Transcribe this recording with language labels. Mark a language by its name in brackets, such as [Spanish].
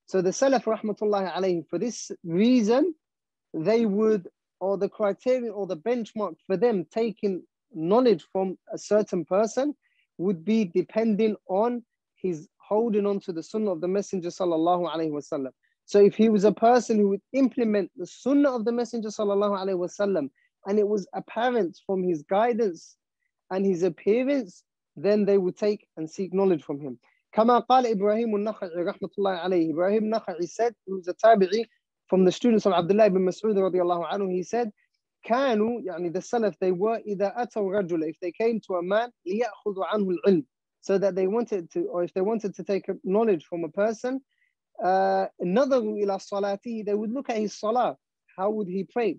[English] So the Salaf rahmatullahi alayhim, for this reason, they would, or the criterion or the benchmark for them taking knowledge from a certain person would be depending on his holding on to the sunnah of the messenger sallallahu alaihi wasallam. So if he was a person who would implement the sunnah of the messenger sallallahu alaihi wasallam, and it was apparent from his guidance and his appearance, then they would take and seek knowledge from him. [Arabic] كما قال إبراهيم النخعي رحمة الله عليه. [English] Ibrahim Nakhai said, who was a tabi'i from the students of Abdullah ibn Mas'ud radiallahu anhu, he said, [Arabic] كانوا, يعني [English] the Salaf, they were, [Arabic] إذا أتوا رجل, [English] if they came to a man, [Arabic] ليأخذوا عنه العلم, [English] so that they wanted to, or if they wanted to take knowledge from a person, [Arabic] نظروا إلى صلاته, [English] they would look at his salah. How would he pray?